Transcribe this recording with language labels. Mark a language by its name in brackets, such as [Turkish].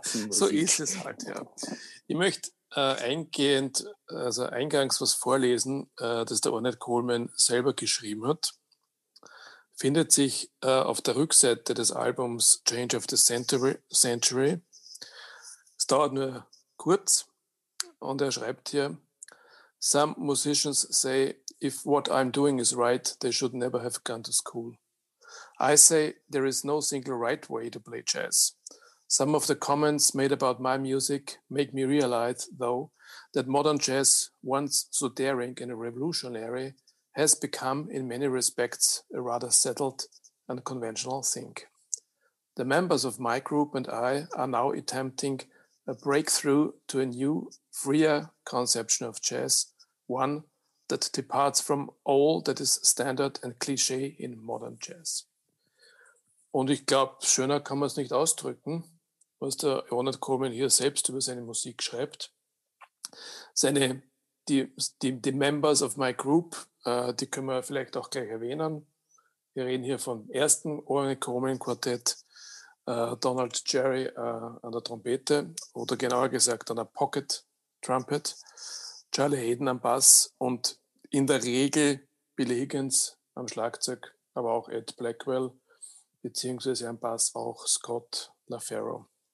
[German] So ist es halt, ja. Ich möchte eingangs was vorlesen, das der Ornette Coleman selber geschrieben hat. Findet sich auf der Rückseite des Albums Change of the Century. Es dauert nur kurz. Und er schreibt hier, [English] some musicians say, if what I'm doing is right, they should never have gone to school. I say, there is no single right way to play jazz. Some of the comments made about my music make me realize, though, that modern jazz, once so daring and revolutionary, has become, in many respects, a rather settled and conventional thing. The members of my group and I are now attempting a breakthrough to a new, freer conception of jazz, one that departs from all that is standard and cliché in modern jazz. [German] Und ich glaube, schöner kann man es nicht ausdrücken, was der Ornette Coleman hier selbst über seine Musik schreibt. Die [English] Members of my group, [German] die können wir vielleicht auch gleich erwähnen. Wir reden hier vom ersten Ornette Coleman Quartett, Donald Jerry an der Trompete oder genauer gesagt an der Pocket Trumpet, Charlie Hayden am Bass und in der Regel Billy Higgins am Schlagzeug, aber auch Ed Blackwell beziehungsweise am Bass auch Scott LaFaro.